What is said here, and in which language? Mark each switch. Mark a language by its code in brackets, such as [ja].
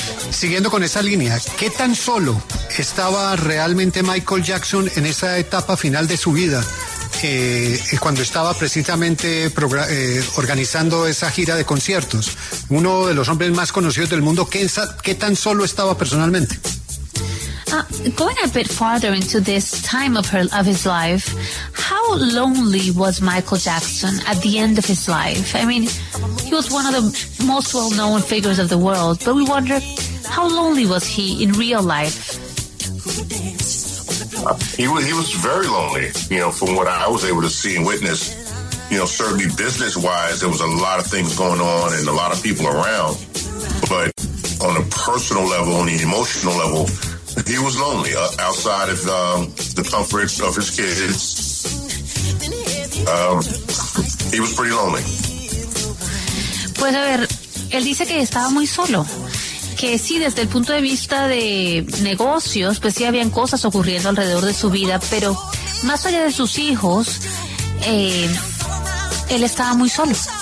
[es] Siguiendo con esa línea, ¿qué tan solo estaba realmente Michael Jackson en esa etapa final de su vida? Cuando estaba precisamente organizando esa gira de conciertos, uno de los hombres más conocidos del mundo, ¿qué tan solo estaba personalmente? [en] Going a bit farther into this time of his life, how lonely was Michael Jackson at the end of his life? I mean, he was one of the most well-known figures of the world, but we wonder, how lonely was he in real life? He was very lonely, you know, from what I was able to see and witness. You know, certainly business-wise, there was a lot of things going on and a lot of people around. But on a personal level, on the emotional level, he was lonely outside of the comforts of his kids. He was pretty lonely. [es] Pues a ver, él dice que estaba muy solo. Que sí, desde el punto de vista de negocios, pues sí habían cosas ocurriendo alrededor de su vida, pero más allá de sus hijos, él estaba muy solo.